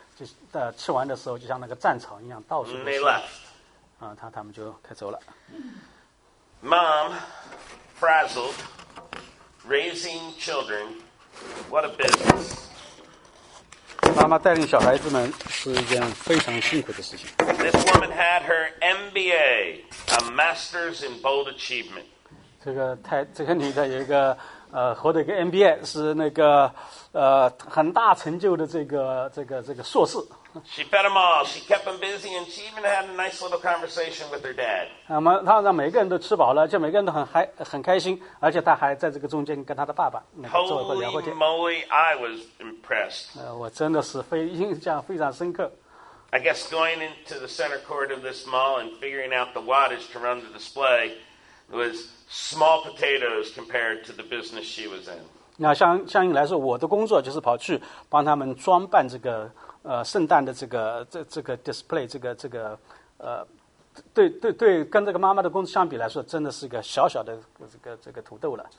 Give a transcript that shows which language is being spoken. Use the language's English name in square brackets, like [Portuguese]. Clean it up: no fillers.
[Chinese] 就吃完的时候，就像那个战场一样，到处都是。他们就开走了。 [English] Mom, frazzled, raising children, what a business. [Chinese] 妈妈带领小孩子们是一件非常辛苦的事情。 [English] This woman had her MBA, a master's in bold achievement. [Chinese] 这个女的有一个获得一个 MBA 是那个。很大成就的这个硕士。 [English] She fed them all. She kept them busy, and she even had a nice little conversation with her dad. [Chinese] 她让每个人都吃饱了，就每个人都很开心，而且她还在这个中间跟她的爸爸那个做了个聊过天。 [English] Holy moly, I was impressed. [Chinese] 我真的是印象非常深刻。 [English] I guess going into the center court of this mall and figuring out the wattage to run the display was small potatoes compared to the business she was in. [Chinese] 那相应来说，我的工作就是跑去帮他们装扮这个圣诞的这个 display 这个对，跟这个妈妈的工作相比来说，真的是一个小小的这个土豆了。